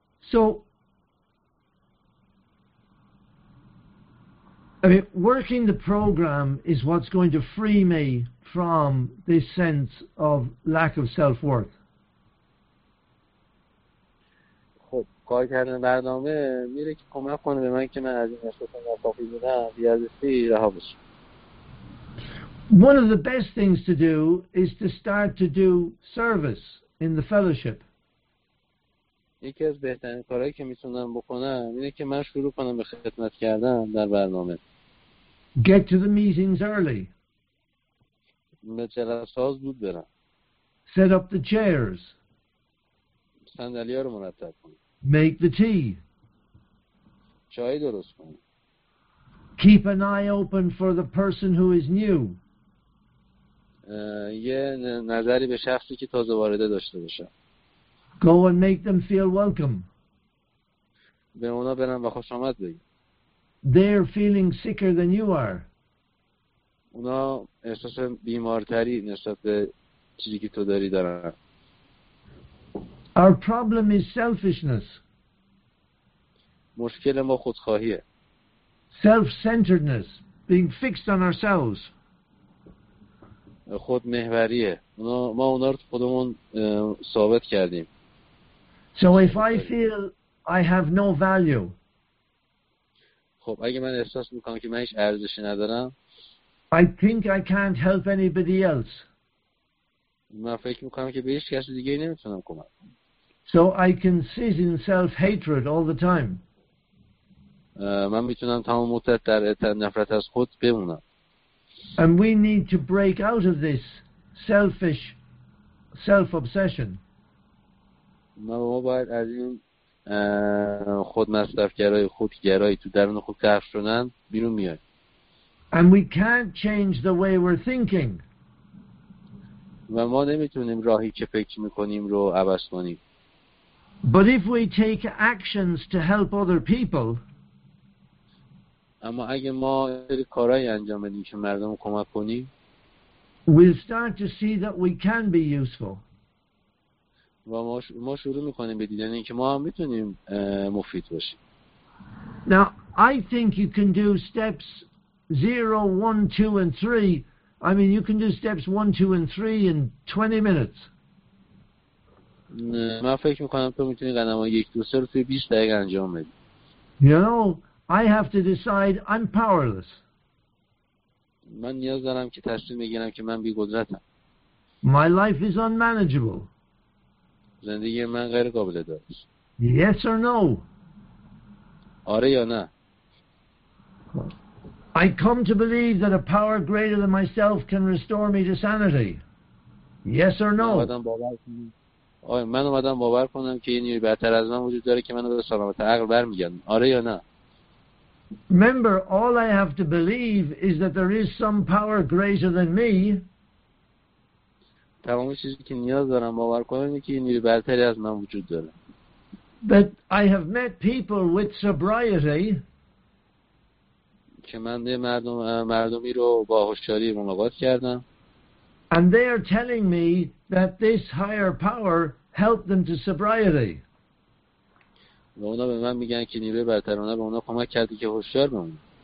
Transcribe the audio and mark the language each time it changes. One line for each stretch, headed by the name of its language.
English: So, I mean, working the program is what's going to free me from this sense of lack of self-worth.
Persian: خب، کار کردن برنامه میره که کمک کنه به من که من از این احساس ناکافی بودم بیازستی رها بشم.
English: One of the best things to do is to start to do service in the fellowship.
Persian: یکی از بهترین کارهایی که میتونم بکنم اینه که من شروع کنم به خدمت کردن در برنامه.
English: Get to the meetings early.
Persian: به جلسه‌ها زود برم.
English: Set up the chairs.
Persian: صندلی‌ها رو مرتب کنم.
English: Make the tea.
Persian: چای درست کنم.
English: Keep an eye open for the person who is new.
Persian: یه نظری به شخصی که تازه وارده داشته باشم.
English: Go and make them feel welcome.
Persian: به اونا برم و خوش آمد بگم.
English: They're feeling sicker than you are.
Persian: اونا احساس بیمارتری نسبت به چیزی که تو داری دارن.
English: Our problem is selfishness.
Persian: مشکل ما خودخواهیه.
English: Self-centeredness, being fixed on ourselves.
Persian: خود محوریه. ما اونا رو خودمون ثابت کردیم.
English: So if I feel I have no value.
Persian: خب اگه من احساس میکنم که من هیچ ارزشی ندارم.
English: I think I can't help anybody else.
Persian: من فکر میکنم که به هیچ کس دیگه نمیتونم کمک.
English: So I can sit in self-hatred all the time.
Persian: من میتونم تمام مدت در نفرت از خود بمونم.
English: And we need to break out of this selfish self-obsession.
Persian: ما باید از این خودمصرف‌گرایی خودگرایی تو درون خود قفل شدن بیرون میایم.
English: And we can't change the way we're thinking.
Persian: و ما نمیتونیم راهی که فکر میکنیم رو عوض کنیم.
English: But if we take actions to help other people,
Persian: اما اگه ما سری کارهای انجام بدیم که مردم رو کمک کنیم,
English: we'll start to see that we can be useful.
Persian: و ما شروع میکنیم به دیدن اینکه ما هم میتونیم مفید باشیم.
English: Now, I think you can do steps 0, 1, 2, and 3. I mean, you can do steps 1, 2, and 3 in 20 minutes.
Persian: من فکر میکنم تو میتونی قدم‌های 1, 2, 3 رو توی 20 دقیقه انجام بدی.
English: You know, I have to decide I'm powerless.
Persian: من نیاز دارم که تصمیم بگیرم که من بی‌قدرتم.
English: My life is unmanageable.
Persian: زندگی من غیر قابل اداره است.
English: Yes or no?
Persian: آره یا نه؟
English: I come to believe that a power greater than myself can restore me to sanity. Yes or no?
Persian: من اومدم باور کنم که این نیروی برتر از من وجود داره که منو به سلامت عقل برمیگردونه. آره یا نه؟
English: Remember, all I have to believe is that there is some power greater than me.
Persian: تمام چیزی که نیاز دارم باور کنم که این نیروی برتری از من وجود داره.
English: But I have met people with sobriety.
Persian: که من یه مردمی رو با هوشیاری ملاقات کردم.
English: And they are telling me that this higher power helped them to sobriety.
Persian: و اونا به من میگن که نیروی برترانه به اونا کمک کرده که هوشیار بمونن.